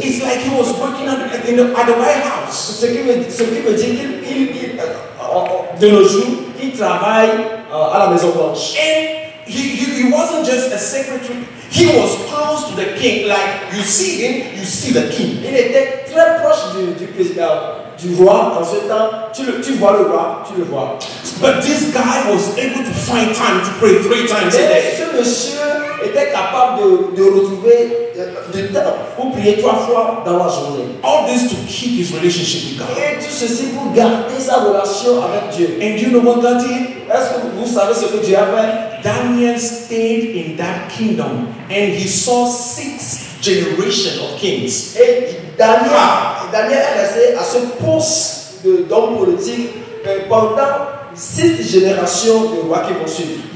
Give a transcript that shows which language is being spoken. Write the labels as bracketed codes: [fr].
[en] It's like he was working at the White House. [fr] Ce qui veut dire qu'il de nos jours, il travaille à la Maison Blanche. [en] He wasn't just a secretary. He was close to the king. Like you see him, you see the king. [fr] Il était très proche du président, du roi. En ce temps, tu vois le roi, tu le vois. [en] But this guy was able to find time to pray three times a day. [fr] Ce monsieur était capable de retrouver du temps pour prier trois fois dans la journée. [en] All this to keep his relationship with God. [fr] Et tout ceci pour garder sa relation avec Dieu. [en] And you know what God did? [fr] Est-ce que vous savez ce que Dieu a fait? [en] Daniel stayed in that kingdom and he saw six generations of kings. [fr] Et Daniel est resté à ce poste d'homme politique pendant six générations de rois qui vont suivre.